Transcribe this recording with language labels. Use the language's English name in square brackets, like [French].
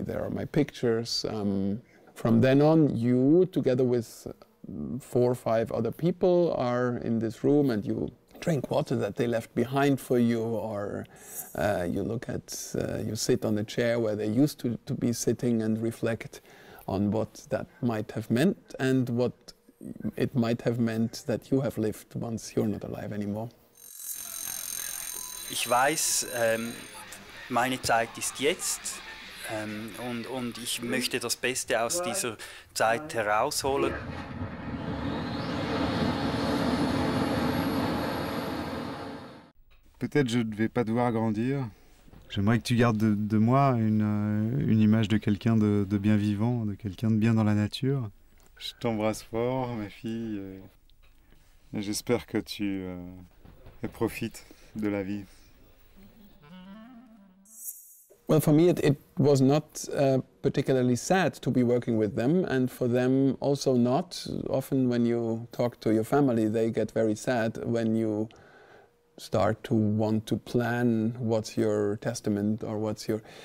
[English] There are my pictures. From then on, you, together with four or five other people, are in this room and you drink water that they left behind for you, or you sit on the chair where they used to be sitting and reflect on what that might have meant and what it might have meant that you have lived once you're not alive anymore. [German] Ich weiß, meine Zeit ist jetzt, und ich möchte das Beste aus dieser Zeit herausholen. [French] Peut-être je ne vais pas devoir grandir. J'aimerais que tu gardes de moi une image de quelqu'un de bien vivant, de quelqu'un de bien dans la nature. Je t'embrasse fort, ma fille, et j'espère que tu profites de la vie. [English] Well, for me, it was not particularly sad to be working with them, and for them also not. Often when you talk to your family, they get very sad when you start to want to plan what's your testament or what's your...